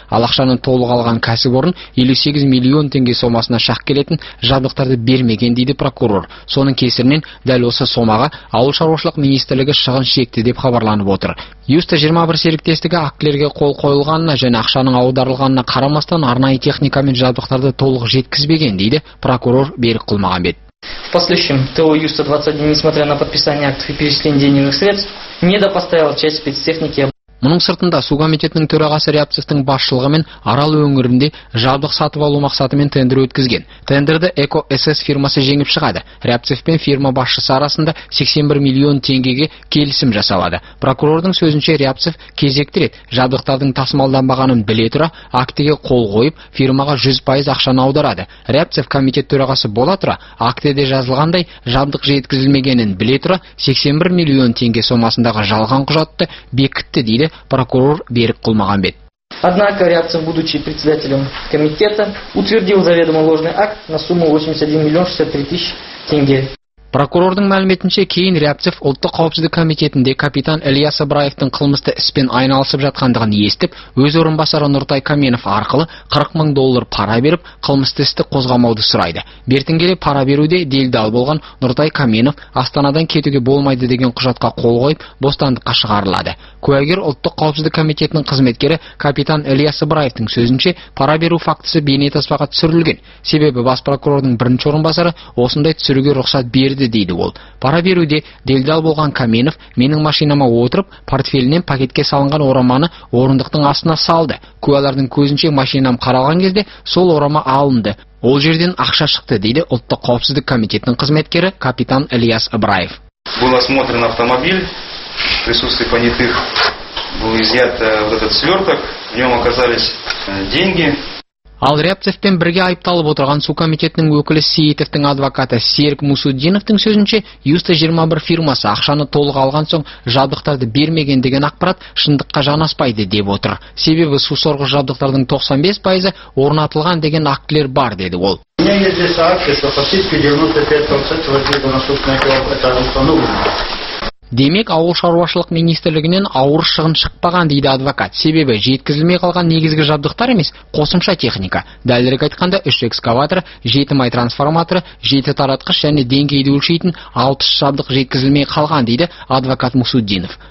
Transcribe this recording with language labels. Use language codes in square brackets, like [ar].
[kk] Ал ақшаны толық алған кәсіпорын 58 миллион теңге сомасына шақ келетін жабдықтарды бермеген дейді прокурор. Соның кесірінен дәл осы сомаға ауыл шаруашылық министрлігі шығын шекті деп хабарланып отыр. Юста 21 серіктестігі актілерге қол қойылғанына және ақшаның аударылғанына қарамастан арнайы техника мен жабдықтарды толық жеткізбеген дейді прокурор Берік Құлмағанбет. [ru] В последующем ТО Юста 21, несмотря на подписание актов и перечисление денежных средств, не допоставил часть спецтехники. [kk] Мұның сыртында су комитетінің төрағасы Рябцевтің басшылығымен Арал өңірінде жабдық сатып алу мақсатымен тендер өткізген. Тендерді Эко СС фирмасы жеңіп шығады. Рябцев пен фирма басшысы арасында 81 миллион теңгеге келісім жасалады. Прокурордың сөзінше Рябцев кезекті рет жабдықтардың тасымалданбағанын біле тұра актіге қол қойып фирмаға 100% ақшаны аударады. Рябцев комитет төрағасы бола тұра актіде жазылғандай жабдық жеткізілмегенін біле тұра 81 миллион теңге сомасындағы жалған құжатты бекітті дейді прокурор Берік Құлмағанбет. [ru] Однако Рябцев, будучи председателем комитета, утвердил заведомо ложный акт на сумму 81 миллион 63 тысяч тенге. [kk] Прокурордың мәліметінше, кейін реактив ұлттық қауіпсіздік комитетінде капитан Ілияс Ыбраевтың қылмысты іспен айналысып жатқандығын естіп, өз орынбасары Нұртай Каменов арқылы 40 мың доллар пара беріп, қылмысты істі қозғамауды сұрайды. Бертін келе пара беруде делдал болған Нұртай Каменов Астанадан кетуге болмайды деген құжатқа қол қойып, бостандыққа шығарылады. Куәгер ұлттық қауіпсіздік комитетінің қызметкері капитан Ілияс Ыбраевтың сөзінше, пара беру фактісі бейнетаспаға түсірілген. Себебі бас прокурордың бірінші орынбасары осындай түсіруге рұқсат берді. Дейді ол. Пара беруде делдал болған Каменов менің машинама отырып, портфелінен пакетке салынған ораманы орындықтың астына салды. Куәлердің көзінше машинам қаралған кезде сол орама алынды. Ол жерден ақша шықты, дейді ұлттық қауіпсіздік комитетінің қызметкері капитан Ілияс Ыбраев. [ru] Был осмотрен автомобиль, присутствие понятых, был изъят вот этот сверток, в нем оказались деньги. [kk] Ал Рябцевпен бірге айыпталып отырған су комитетінің өкілі Сейітовтың адвокаты Серік Мусуддиновтың сөзінше, Юста 21 фирмасы ақшаны толық алған соң жабдықтарды бермеген деген ақпарат шындыққа жанаспайды деп отыр. Себебі су сорғы жабдықтардың 95% орнатылған деген актілер бар, деді ол. [ru] У меня есть здесь акция, что фактически 95% воздуха насупная килограмм установлена. [kk] Демек, ауыл шаруашылық министрлігінен ауыр шығын шықпаған, дейді адвокат. Себебі, жеткізілмей қалған негізгі жабдықтар емес, қосымша техника. Дәлірек айтқанда, 3 экскаватор, 7 май трансформатор, 7 таратқыш және деңгейді өлшейтін 6 жабдық жеткізілмей қалған, дейді адвокат Мусуддинов.